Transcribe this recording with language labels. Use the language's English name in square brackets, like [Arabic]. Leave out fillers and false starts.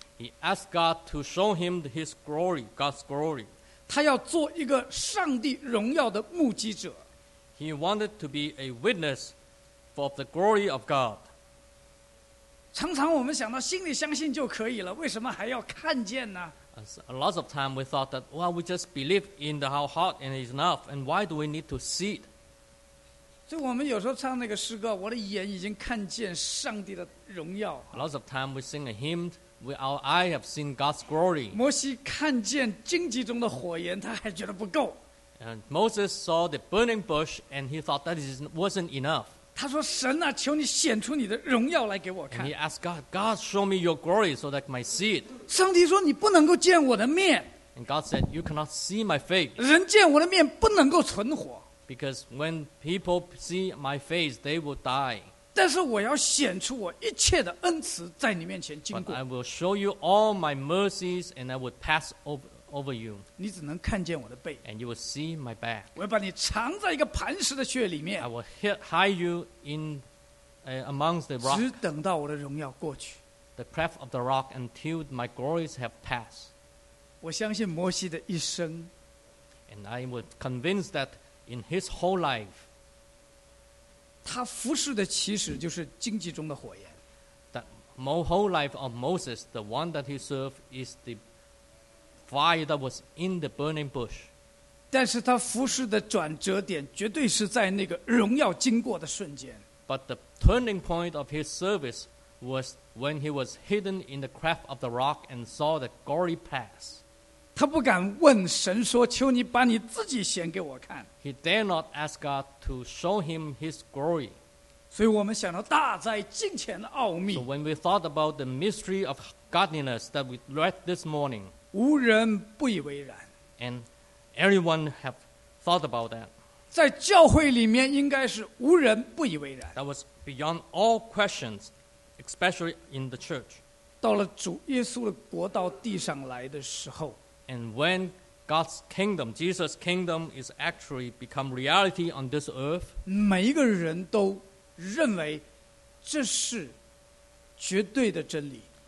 [English] He asked God to show him his glory, God's glory. [Chinese] 他要做一个上帝荣耀的目击者。 [English] He wanted to be a witness for the glory of God. [Chinese] 常常我们想到心里相信就可以了，为什么还要看见呢？ [English] A lot of time we thought that, well, we just believe in the our heart and it's enough. And why do we need to see it? [Chinese] 所以我们有时候唱那个诗歌，我的眼已经看见上帝的荣耀。 [English] A lot of time we sing a hymn, we our eye have seen God's glory. [Chinese] 摩西看见荆棘中的火焰，他还觉得不够。 [English] And Moses saw the burning bush, and he thought that wasn't enough. [Chinese] 他说：“神啊，求你显出你的荣耀来给我看。” [English] He asked God, God, show me your glory so that I may see it. [Chinese] 上帝说：“你不能够见我的面。” [English] And God said, you cannot see my face. [Chinese] 人见我的面不能够存活。 [English] Because when people see my face, they will die. [Chinese] 但是我要显出我一切的恩慈在你面前经过。 [English] But I will show you all my mercies and I will pass over you. [Chinese] 你只能看见我的背。 [English] And you will see my back. [Chinese] 我要把你藏在一个磐石的穴里面。 [English] I will hide you in amongst the rock. [Chinese] 只等到我的荣耀过去。 [English] The cleft of the rock until my glories have passed. [Chinese] 我相信摩西的一生。 [English] And I was convinced that in his whole life, [Chinese] 他服侍的起始就是荆棘中的火焰。 [English] The whole life of Moses, the one that he served is the fire that was in the burning bush. [Chinese] 但是他服侍的转折点绝对是在那个荣耀经过的瞬间。 [English] But the turning point of his service was when he was hidden in the cleft of the rock and saw the glory pass. [Chinese] 他不敢问神说，求你把你自己显给我看。 [English] He dare not ask God to show him his glory. [Chinese] 所以我们想到大灾近前的奥秘。 [English] So when we thought about the mystery of godliness that we read this morning, [Chinese] 无人不以为然。 [English] And everyone have thought about that. [Chinese] 在教会里面应该是无人不以为然。 [English] That was beyond all questions, especially in the church. [Chinese] 到了主耶稣的国到地上来的时候。 [English] And when God's kingdom, Jesus' kingdom is actually become reality on this earth. [Chinese] 每一个人都认为这是绝对的真理。